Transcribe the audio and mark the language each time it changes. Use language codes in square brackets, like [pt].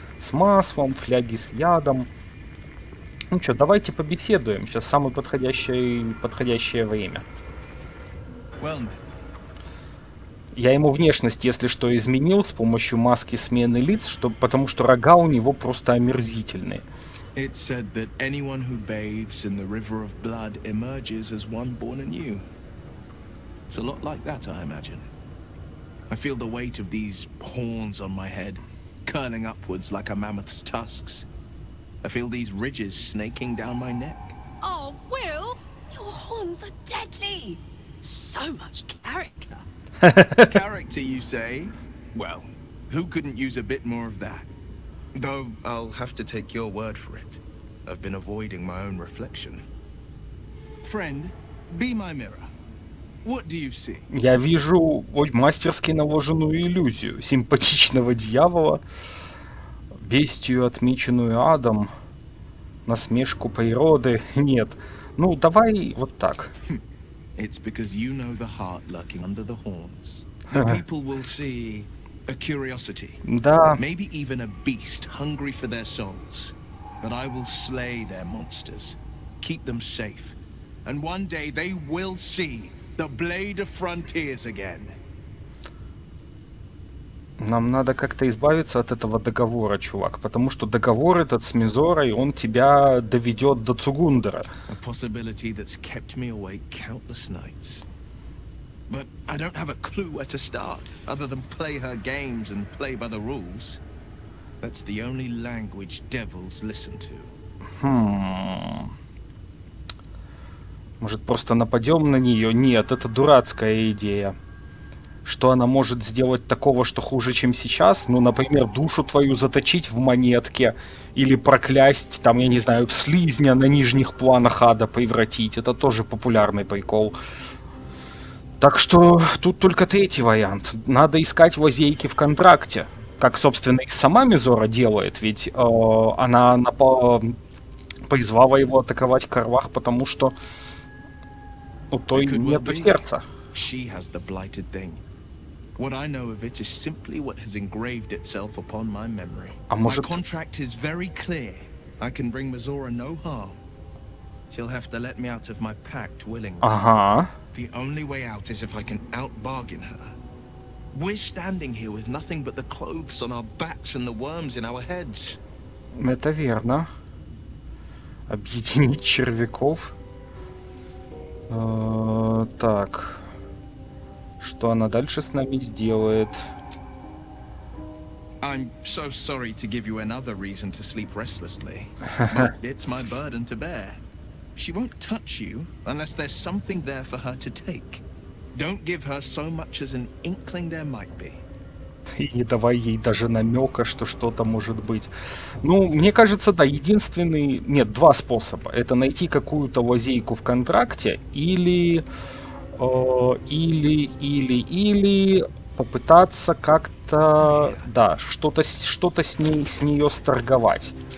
[ru] С маслом, фляги с ядом. Ну что, давайте побеседуем. Сейчас самое подходящее время. Я ему внешность, если что, изменил с помощью маски смены лиц, потому что рога у него просто омерзительные. [en] It said that anyone who bathes in the river of blood emerges as one born anew. It's a lot like that, I imagine. I feel the weight of these horns on my head, curling upwards like a mammoth's tusks. I feel these ridges snaking down my neck. Oh, Will, your horns are deadly. So much character. Character, you say? Well, who couldn't use a bit more of that? Though I'll have to take your word for it. I've been avoiding my own reflection. Friend, be my mirror. What do you see? [ru] Я вижу мастерски наложенную иллюзию симпатичного дьявола. Бестию, отмеченную адом, насмешку природы. Нет. Ну, давай вот так. [en] It's because you know the heart lurking under the horns. The people will see a curiosity. [ru] Да. [en] Maybe even a beast hungry for their souls. But I will slay their monsters, keep them safe. And one day they will see the blade of frontiers again. [ru] Нам надо как-то избавиться от этого договора, чувак. Потому что договор этот с Мизорой, он тебя доведет до Цугундера. [en] A possibility that's kept me awake countless nights. But I don't have a clue where to start, other than play her games and play by the rules. That's the only language devils listen to. [ru] Может, просто нападем на нее? Нет, это дурацкая идея. Что она может сделать такого, что хуже, чем сейчас? Ну, например, душу твою заточить в монетке. Или проклясть, там, я не знаю, в слизня на нижних планах ада превратить. Это тоже популярный прикол. Так что тут только третий вариант. Надо искать лазейки в контракте. Как, собственно, и сама Мизора делает. Ведь она призвала его атаковать Карвах, потому что у той нету сердца. [en] She has the blighted thing. What I know of it is simply what has engraved itself upon my memory. [ru] А может... [en] My contract is very clear. I can bring Mizora no harm. She'll have to let me out of my pact willingly. [ru] Ага. [en] The only way out is if I can outbargain her. We're standing here with nothing but the clothes on our backs and the worms in our heads. [ru] Это верно. Объединить червяков. Так. Что она дальше с нами сделает? [en] I'm so sorry to give you another reason to sleep restlessly. But it's my burden to bear. She won't touch you unless there's something there for her to take. Don't give her so much as an inkling there might be. [ru] И не давай ей даже намека, что что-то может быть. Ну, мне кажется, да, единственный... Нет, два способа. Это найти какую-то лазейку в контракте или... Или попытаться как-то, да, что-то с нее сторговать.